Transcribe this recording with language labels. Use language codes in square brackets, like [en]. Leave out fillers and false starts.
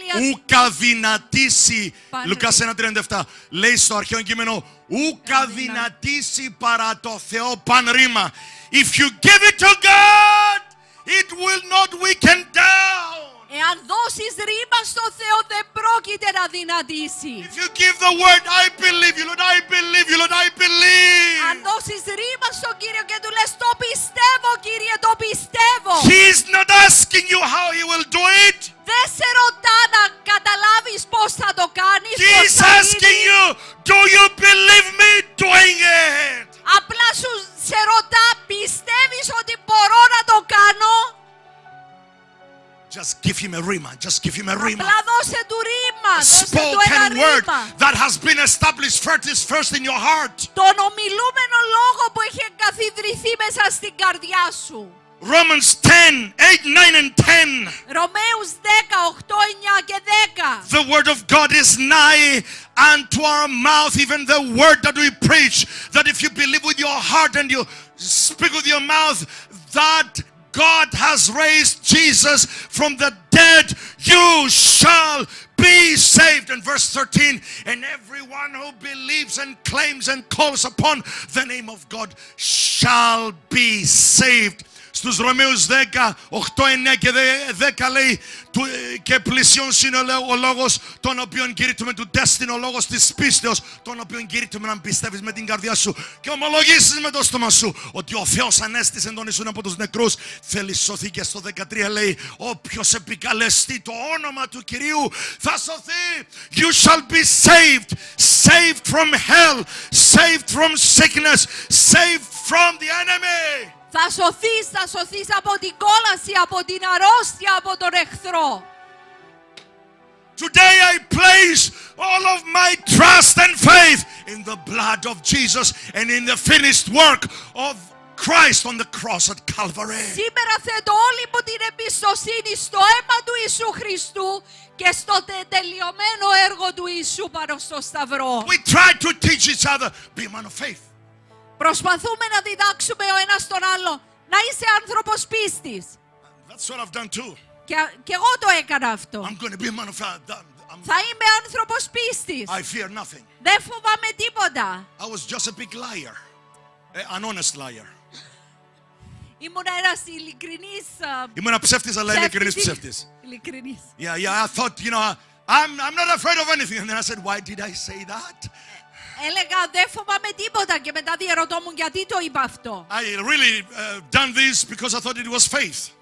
[el] Ούκα δυνατήσει, Λουκάς 1:37, λέει στο αρχαίο κείμενο, ούκα δυνατήσει παρά το Θεό πανρήμα. [en] If you give it to God, it will not weaken down. [el] Εάν δώσεις ρήμα στο Θεό, δεν πρόκειται να δυνατήσει. [en] If you give the word, I believe you, Lord, I believe you, Lord, I believe. [el] Αν δώσεις ρήμα στον Κύριο και του λες, το πιστεύω, Κύριε, το πιστεύω. [en] He is not asking you how he will do it. [el] Δεν σε ρωτά να καταλάβεις πώς θα το κάνεις. [en] He is asking you, do you believe me doing it? [el] Απλά σου σε ρωτά, πιστεύεις ότι μπορώ να το κάνω? [en] Just give him a rima. Just give him a rima. [el] Απλά δώσε του ρήμα. [en] Spoken word that has been established first in your heart. [el] Τον ομιλούμενο λόγο που έχει εγκαθιδρυθεί μέσα στην καρδιά σου. [en] Romans 10, 8, 9, and 10. [el] Ρωμαίους 10, 8, 9 και 10. [en] The word of God is nigh unto our mouth, even the word that we preach, that if you believe with your heart and you speak with your mouth, that God has raised Jesus from the dead, you shall be saved. And verse 13, and everyone who believes and claims and calls upon the name of God shall be saved. [el] στους Ρωμαίους 10, 8, 9 και 10 λέει και πλησιώνς είναι ο λόγος τον οποίον κηρύττουμε, του τέστην ο λόγος της πίστεως τον οποίον κηρύττουμε, να πιστεύεις με την καρδιά σου και ομολογήσεις με το στόμα σου ότι ο Θεός ανέστησε τον Ιησού από τους νεκρούς, θέλει σωθεί. Και στο 13 λέει όποιος επικαλεστεί το όνομα του Κυρίου θα σωθεί. [en] You shall be saved, saved from hell, saved from sickness, saved from the enemy. [el] Θα σωθείς από την κόλαση, από την αρρώστια, από τον εχθρό. [en] Today I place all of my trust and faith in the blood of Jesus and in the finished work of Christ on the cross at Calvary. [el] Σήμερα θέτω όλη μου την εμπιστοσύνη στο αίμα του Ιησού Χριστού και στο τελειωμένο έργο του Ιησού πάνω στο Σταυρό. [en] We try to teach each other, be a man of faith. [el] Προσπαθούμε να διδάξουμε ο ένας τον άλλο να είσαι άνθρωπος πίστης. [en] That's what I've done too. [el] Και εγώ το έκανα αυτό. [en] I'm going to be a man of faith. [el] Θα είμαι άνθρωπος πίστης. [en] I fear nothing. [el] Δεν φοβάμαι τίποτα. [en] I was just a big liar. An honest liar. [el] Ήμουν ένας ειλικρινής. Ήμουν ψεύτης, αλλά ειλικρινής ψεύτης. Ειλικρινής. [en] Yeah, yeah, I thought, you know, I'm not afraid of anything. And then I said, why did I say that? [el] Έλεγα δεν φοβάμαι τίποτα και μετά διερωτώ μου γιατί το είπα αυτό. [en] I really done this because I thought it was faith.